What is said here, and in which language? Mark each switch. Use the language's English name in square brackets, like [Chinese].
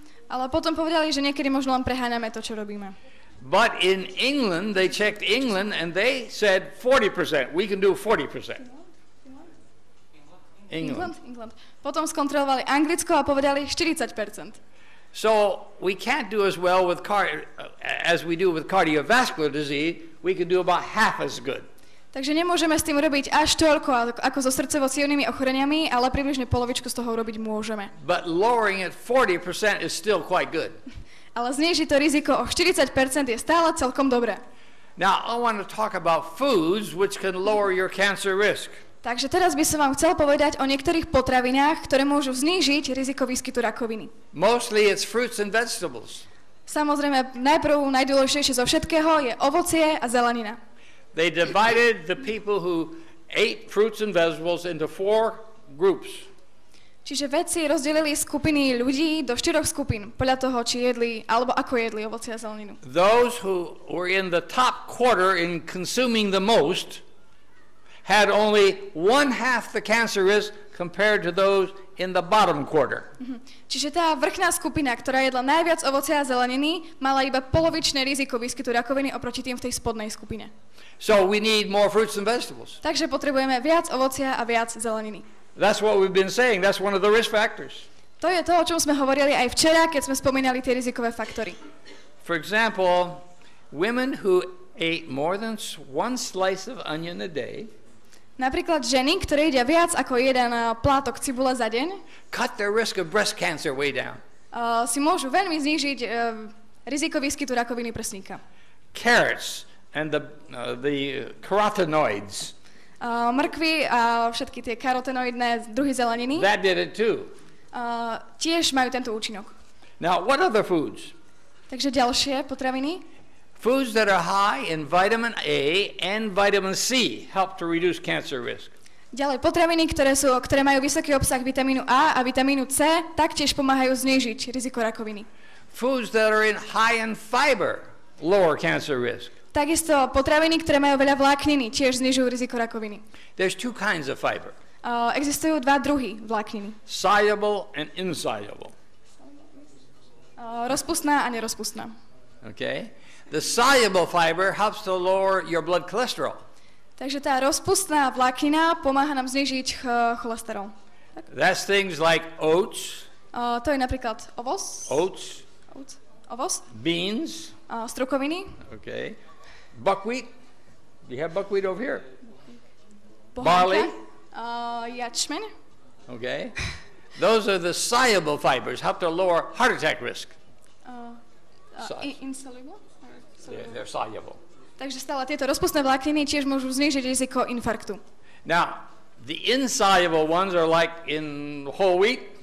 [Slovak] Ale potom povedali, že niekedy možno len preháňame to, čo robíme. [English] But in England, they checked England and they said 40%. We can do 40%. [Slovak] England. Potom skontrolovali Anglicko a povedali 40%. [English] So we can't do as well with as we do with cardiovascular disease. We can do about half as good. [Slovak] Takže nemôžeme s tým robiť až toľko ako so srdcovo-cievnymi ochoreniami, ale približne polovičku z toho robiť môžeme. [English] But lowering it 40% is still quite good. [Slovak] Ale znížiť to riziko o 40% je stále celkom dobré. [English] Now I want to talk about foods which can lower your cancer risk. [Slovak] Takže teraz by som vám chcel povedať o niektorých potravinách, ktoré môžu znížiť riziko výskytu rakoviny. [English] Mostly it's fruits and vegetables. [Slovak] Samozrejme, najprv najdôležitejšie zo všetkého je ovocie a zelenina. [English] They divided the people who ate fruits and vegetables into four groups. [Slovak] Čiže vedci rozdelili skupiny ľudí do štyroch skupín podľa toho, či jedli alebo ako jedli ovocie a zeleninu. [English] Those who were in the top quarter in consuming the most had only one half the cancer risk compared to those in the bottom quarter. [Slovak] Čiže tá vrchná skupina, ktorá jedla najviac ovocia a zeleniny, mala iba polovičné riziko výskytu rakoviny oproti tým v tej spodnej skupine. [English] So we need more fruits and vegetables. [Slovak] Takže potrebujeme viac ovocia a viac zeleniny. [English] That's what we've been saying. That's one of the risk factors. [Slovak] To je to, o čom sme hovorili aj včera, keď sme spomínali tie rizikové faktory. [English] For example, women who ate more than one slice of onion a day, [Slovak] napríklad ženy, ktoré jedia viac ako jeden plátok cibule za deň, [English] cut their risk of breast cancer way down. [Slovak] Si môžu veľmi znížiť riziko výskytu rakoviny prsníka. [English] Carrots and the carotenoids. [Slovak] Mrkvy a všetky tie karotenoidné druhy zeleniny. [English] That did it too. [Slovak] Tiež majú tento účinok. [English] Now, what other foods? [Slovak] Takže ďalšie potraviny. [English] Foods that are high in vitamin A and vitamin C help to reduce cancer risk. [Slovak] Ďalej potraviny, ktoré majú vysoký obsah vitamínu A a vitamínu C, taktiež pomáhajú znížiť riziko rakoviny. [English] Foods that are high in fiber lower cancer risk. [Slovak] Takisto potraviny, ktoré majú veľa vlákniny, tiež znižujú riziko rakoviny. [English] There's two kinds of fiber. [Slovak] Existujú dva druhy vlákniny. [English] Soluble and insoluble. [Slovak] Rozpustná a nerozpustná. [English] Okay. The soluble fiber helps to lower your blood cholesterol. [Slovak] Takže tá rozpustná vláknina pomáha nám znižiť cholesterol. [English] That's things like oats. [Slovak] To je napríklad ovos. [English] Oats. [Slovak] Ovos. [English] Beans. [Slovak] Strukoviny. [English] Okay. Buckwheat. Do you have buckwheat over here? [Slovak] Bohanka. [English] Barley. [Slovak] Jačmen. [English] Okay. Those are the soluble fibers help to lower heart attack risk. They're soluble. [Slovak] Takže stále tieto rozpustné vlákniny tiež môžu znížiť riziko infarktu. [English] Now, the insoluble ones are like in whole wheat.